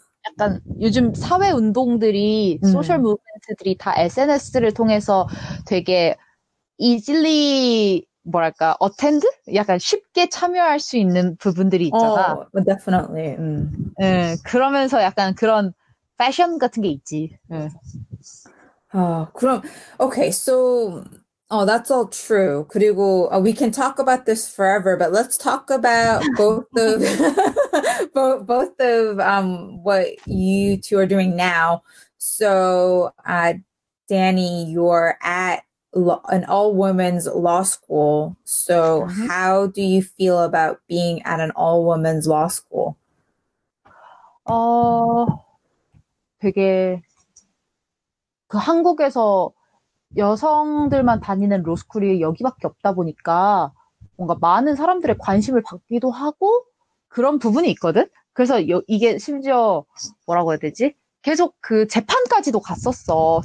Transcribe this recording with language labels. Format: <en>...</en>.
<ko>약간 요즘 사회 운동들이 소셜 무브먼트들이 다 SNS를 통해서 되게 easily 뭐랄까, attend? 약간 쉽게 참여할 수 있는 부분들이 있잖아.</ko> <en>Definitely.</en> <ko>그러면서 약간 그런 패션 같은 게 있지.</ko> <en>그럼, okay, so, that's all true. 그리고, we can talk about this forever, but let's talk about both of what you two are doing now. So, Danny, you're at an all-women's law school. So, how do you feel about being at an all-women's law school?</en> <ko>되게 그 한국에서 여성들만 다니는 로스쿨이 여기밖에 없다 보니까 뭔가 많은 사람들의 관심을 받기도 하고 그런 부분이 있거든. 그래서 이게 심지어 뭐라고 해야 되지? 계속 그 재판까지도 갔었어.</ko>